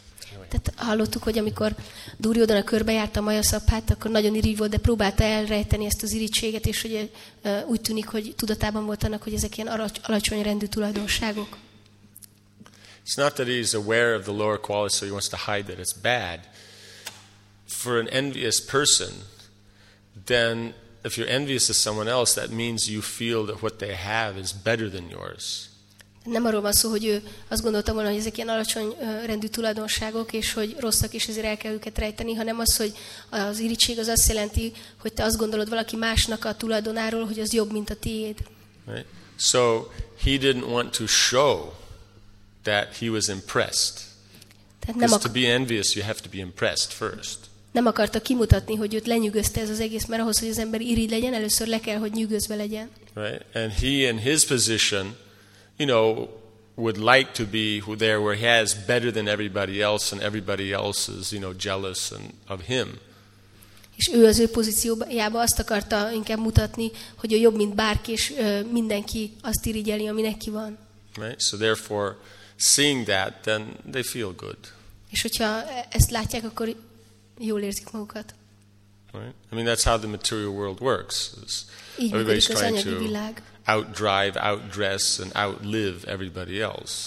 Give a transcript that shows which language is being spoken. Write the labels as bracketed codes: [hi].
[hu] Tehát hallottuk, hogy amikor Duryodhana körbejárta a Majaszabhát, akkor nagyon irigy volt, de próbálta elrejteni ezt az irigységet, és hogy úgy tűnik, hogy tudatában volt annak, hogy ezek ilyen alacsony rendű tulajdonságok. [en] It's not that he's aware of the lower qualities, so he wants to hide that it's bad. For an envious person, then if you're envious of someone else, that means you feel that what they have is better than yours. [hu] Nem arról van szó, hogy ő azt gondolta volna, hogy ezek ilyen alacsony rendű tulajdonságok, és hogy rosszak, és ezért el kell őket rejteni, hanem az, hogy az irigység az azt jelenti, hogy te azt gondolod valaki másnak a tulajdonáról, hogy az jobb, mint a tiéd. [en] Right. So he didn't want to show that he was impressed. To be envious, you have to be impressed first. [hu] Nem akarta kimutatni, hogy őt lenyűgözte ez az egész, mert ahhoz, hogy az ember irigy legyen, először le kell, hogy nyűgözve legyen. [en] Right. And he in his position, you know, would like to be there where he has better than everybody else, and everybody else is, you know, jealous and of him. [hu] És ő az ő pozíciójába azt akarta inkább mutatni, hogy ő jobb, mint bárki, és mindenki azt irigyeli, ami neki van. [en] Right. So therefore, seeing that, then they feel good. [hu] És hogyha ezt látják, akkor jól érzik magukat. [en] Right. I mean, that's how the material world works. Everybody's trying to [hu] világ. [en] Outdrive, outdress, and outlive everybody else.